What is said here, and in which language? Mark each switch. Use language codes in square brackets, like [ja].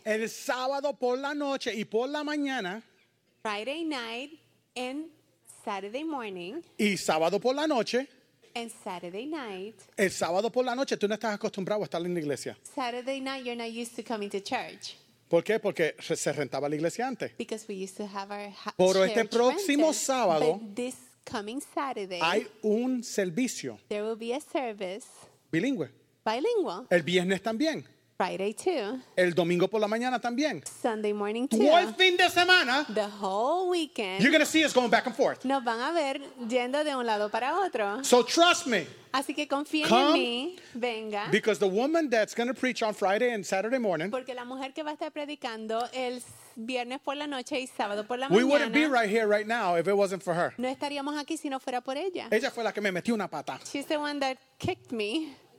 [es] El sábado por la noche y por la mañana. [en] Friday night and Saturday morning. [es] Y sábado por la noche. [en] And Saturday night. [es] El sábado por la noche tú no estás acostumbrado a estar en la iglesia. [en] Saturday night you're not used to coming to church. [es] ¿Por qué? Porque se rentaba la iglesia antes. [en] Because we used to have our church rented. [es] Pero este próximo sábado, [en] but this coming Saturday, [es] hay un servicio. [en] There will be a service. [es] Bilingüe. [en] Bilingual. [es] El viernes también. [en] Friday too. [es] El domingo por la mañana también. [en] Sunday morning too. [es] Todo el fin de semana. [en] The whole weekend. You're going to see us going back and forth. [es] Nos van a ver yendo de un lado para otro. [en] So trust me. [es] Así que confíen [en] come, [es] en mí. Venga. [en] Because the woman that's going to preach on Friday and Saturday morning. [es] Porque la mujer que va a estar predicando el viernes por la noche y sábado por la [en] we [es] mañana. [en] We wouldn't be right here right now if it wasn't for her. [es] No estaríamos aquí si no fuera por ella. Ella fue la que me metió una pata. [en] She's the one that kicked me.